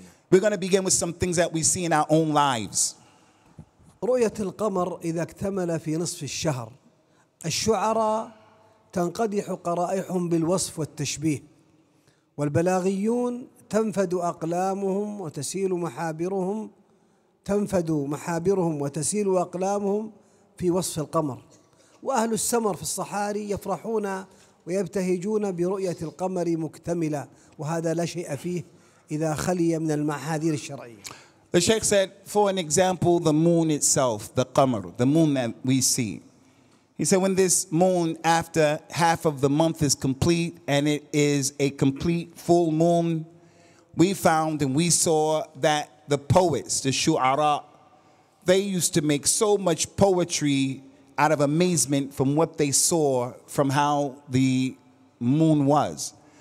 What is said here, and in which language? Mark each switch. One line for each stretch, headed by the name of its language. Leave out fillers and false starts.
English: We're going to begin with some things that we see in our own lives.
Arabic: رؤية القمر إذا اكتمل في نصف الشهر الشعراء تنقدح قرائحهم بالوصف والتشبيه والبلاغيون تنفد أقلامهم وتسيل محابرهم تنفد محابرهم وتسيل أقلامهم في وصف القمر وأهل السمر في الصحاري يفرحون ويبتهجون برؤية القمر مكتملة وهذا لا شيء فيه إذا خلي من المحاذير الشرعية.
English: The Shaykh said, for an example, the moon itself, the qamar, the moon that we see. He said, when this moon, after half of the month is complete and it is a complete full moon, we found and we saw that the poets, the shu'ara, they used to make so much poetry out of amazement from what they saw from how the moon was.